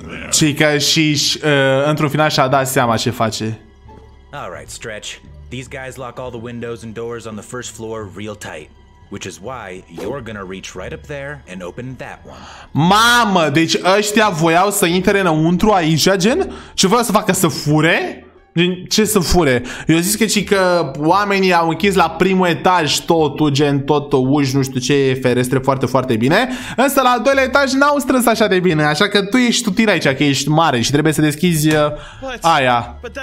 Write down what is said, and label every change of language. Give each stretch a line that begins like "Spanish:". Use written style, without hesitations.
Romanian: Chica și într-un final și-a dat seama ce face.
English: All right, Stretch. These guys lock all the windows and doors on the first floor real tight, which is why you're gonna reach right up there and open that one.
Romanian: Mamă, deci ăștia voiau să intre înăuntru aici, gen? Ce voiau să facă, să fure? Ce să fure? Eu zic că oamenii au închis la primul etaj totul, gen tot uși, nu știu ce, ferestre foarte, foarte bine. Însă la al doilea etaj n-au strâns așa de bine, așa că tu ești tutin aici, că ești mare și trebuie să deschizi aia.